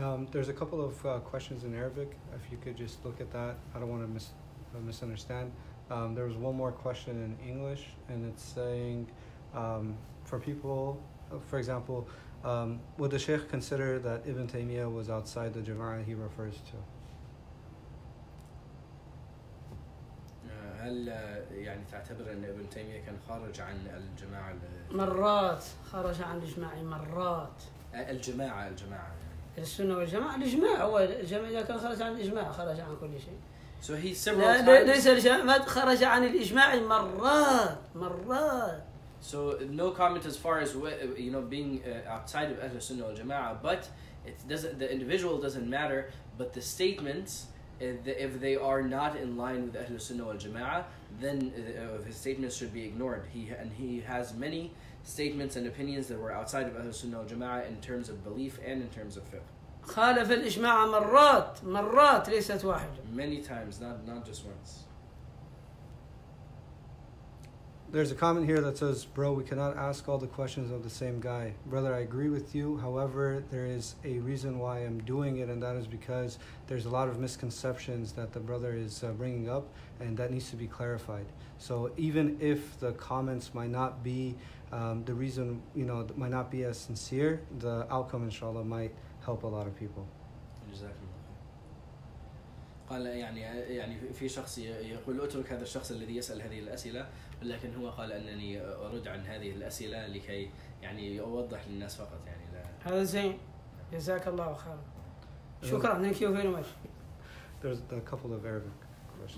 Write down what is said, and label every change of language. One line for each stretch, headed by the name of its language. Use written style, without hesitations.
English: There's a couple of questions in Arabic. If you could just look at that, I don't want to misunderstand. There was one more question in English, and it's saying, for people, for example, would the Sheikh consider that Ibn Taymiyyah was outside the Jama'ah he refers to?
Arabic: هل يعني تعتبر أن ابن تيمية كان خارج عن الجماعة؟ مرات خرج عن الجماعة مرات. الجماعة. السنة والجماعة الإجماع هو الجماعة إذا كان خرج عن الإجماع خرج عن كل شيء.
English: So he several times.
Arabic: ليس الجماعة خرج عن الإجماع مرات.
English: So no comment as far as you know being outside of أهل السنة والجماعة, but it doesn't, the individual doesn't matter, but the statements. If they are not in line with Ahlul Sunnah wal Jama'ah, then his statements should be ignored. He has many statements and opinions that were outside of Ahlul Sunnah wal Jama'ah in terms of belief and in terms of fiqh.
Arabic: خالف الإجماع مرات ليست واحدة.
English: Many times, not just once. There's a comment here that says, bro, we cannot ask all the questions of the same guy. Brother, I agree with you. However, there is a reason why I'm doing it, and that is because there's a lot of misconceptions that the brother is bringing up, and that needs to be clarified. So even if the comments might not be the reason, you know, might not be as sincere, the outcome, inshallah, might help a lot of people. Exactly.
Arabic: قال يعني في شخص يقول اترك هذا الشخص الذي يسأل هذه الأسئلة ولكن هو قال أنني أرد عن هذه الأسئلة لكي يعني أوضح للناس فقط يعني لا هذا زين جزاك الله خير شكرا
English: thank you very much. There's a couple of Arabic questions.